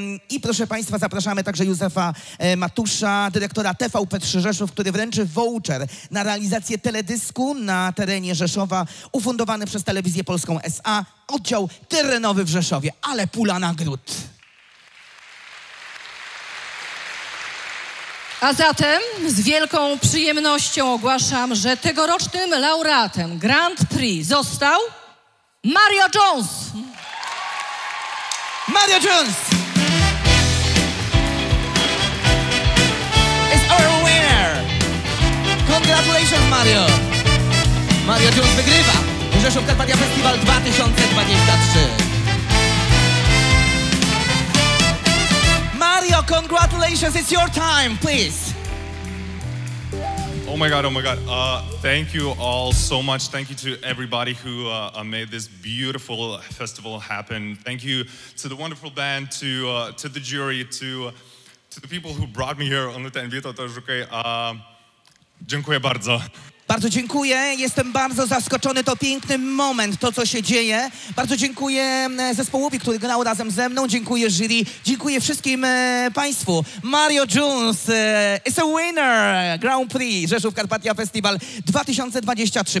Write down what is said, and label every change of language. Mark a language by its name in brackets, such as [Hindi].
[Polish] I proszę Państwa, zapraszamy także Józefa Matusza, dyrektora TVP 3 Rzeszów, który wręczy voucher na realizację teledysku na terenie Rzeszowa ufundowany przez Telewizję Polską SA, oddział terenowy w Rzeszowie. Ale pula nagród. A zatem z wielką przyjemnością ogłaszam, że tegorocznym laureatem Grand Prix został Mario Jones. [English] Mario Jones is our winner. Congratulations, Mario. Mario Jones [Polish] wygrywa [English] Rzeszów Karpatia Festival 2023. Mario, congratulations, it's your time, please. Oh my God, oh my God. Thank you all so much. Thank you to everybody who made this beautiful festival happen. Thank you to the wonderful band, to the jury, to the people who brought me here on the ten. [Polish] Wito, to już okej. Dziękuję bardzo. Bardzo dziękuję. Jestem bardzo zaskoczony. To piękny moment, to co się dzieje. Bardzo dziękuję zespołowi, który grał razem ze mną. Dziękuję jury. Dziękuję wszystkim Państwu. [English] Mario Jones is a winner Grand Prix Rzeszów Karpatia Festival 2023.